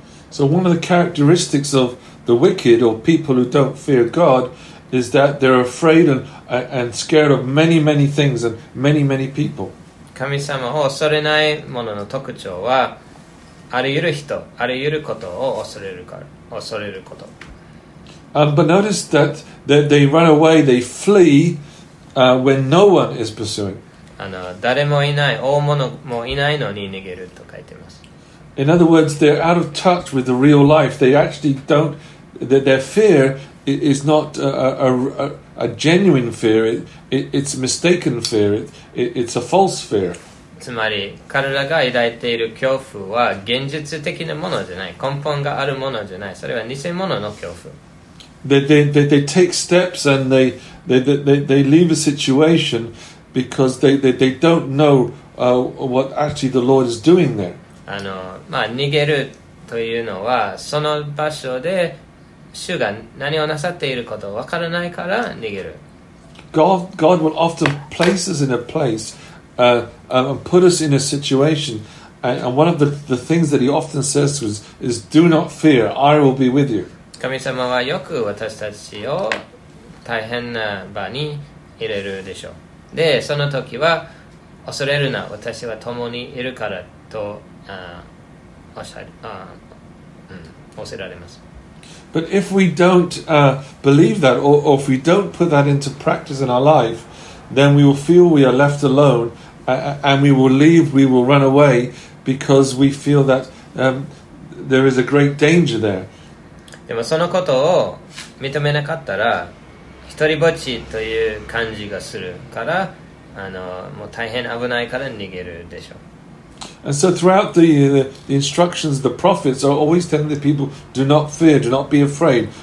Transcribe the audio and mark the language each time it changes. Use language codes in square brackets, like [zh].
[en] So one of the characteristics of the wicked or people who don't fear God is that they're afraid and scared of many many things and many many people. [ja] 神様を恐れない者の特徴はあらゆる人、あらゆることを恐れるから、恐れること。 [en] But notice that they run away, they flee、when no one is pursuing. [ja] 誰もいない、大物もいないのに逃げると書いてます。 [en] In other words, they're out of touch with the real life. They actually don't, their fear is not a genuine fear. It's a mistaken fear. It's a false fear. [ja] つまり、彼らが抱いている恐怖は現実的なものじゃない。根本があるものじゃない。それは偽物の恐怖。 [en] They take steps and they leave a situation because they don't know what actually the Lord is doing there. [ja] 逃げるというのはその場所で主が何をなさっていることを分からないから逃げる。 [en] God will often place us in a place and put us in a situation and one of the things that he often says is do not fear, I will be with you. [ja] 神様はよく私たちを大変な場に入れるでしょう。でその時は恐れるな、私は共にいるからと教えられます。 [en] But if we don't believe that or if we don't put that into practice in our life, then we will feel we are left alone and we will leave, we will run away because we feel that there is a great danger there. [ja] でもそのことを認めなかったら一人ぼっちという感じがするからもう大変危ないから逃げるでしょう。 [en] And so throughout the instructions, the prophets are always telling the people, do not fear, do not be afraid.